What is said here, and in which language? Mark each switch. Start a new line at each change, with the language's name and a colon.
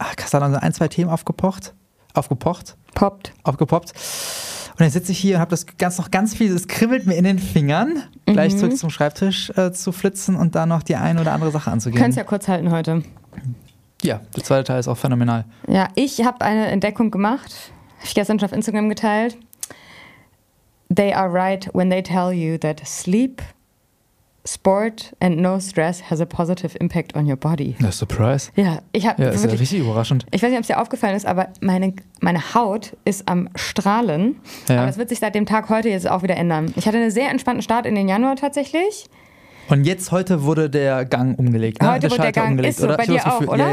German: Kasala, sind ein, zwei Themen aufgepoppt. Und dann sitze ich hier und habe das ganz, noch ganz viel, es kribbelt mir in den Fingern, gleich zurück zum Schreibtisch zu flitzen und da noch die eine oder andere Sache anzugehen. Könnt's ja kurz halten heute. Ja, der zweite Teil ist auch phänomenal. Ja, ich habe eine Entdeckung gemacht. Habe ich gestern schon auf Instagram geteilt.
English: They are right when they tell you that sleep, sport and no stress has a positive impact on your body. A surprise.
German: Ja, ich habe. Ja, ist wirklich, ja richtig überraschend. Ich weiß nicht, ob es dir aufgefallen ist, aber meine Haut ist am Strahlen. Ja. Aber es wird sich seit dem Tag heute jetzt auch wieder ändern. Ich hatte einen sehr entspannten Start in den Januar tatsächlich. Und jetzt, heute wurde der Gang umgelegt. Heute wurde der Gang umgelegt, oder? Bei dir auch, oder?